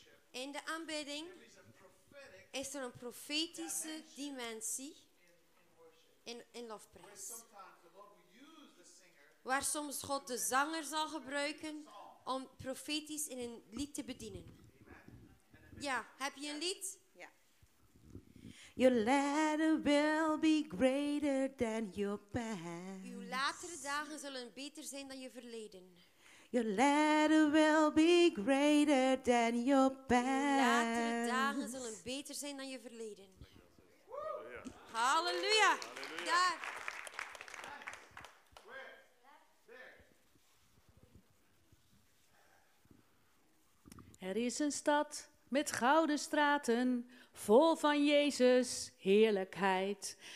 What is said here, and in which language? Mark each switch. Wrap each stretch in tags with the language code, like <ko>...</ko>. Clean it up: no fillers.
<nl>In de aanbidding is er een profetische dimensie in lofprijs. Waar soms God de zanger zal gebruiken om profetisch in een lied te bedienen. Ja, heb je een lied? Ja.</nl> <en>Your ladder will be greater than your past.</en> <nl>Uw latere dagen zullen beter zijn dan je verleden.</nl> <en>Your ladder will be greater than your past.</en> <nl>Uw latere dagen zullen beter zijn dan je verleden. Halleluja. Daar. Er is een stad met gouden straten, vol van Jezus' heerlijkheid.</nl>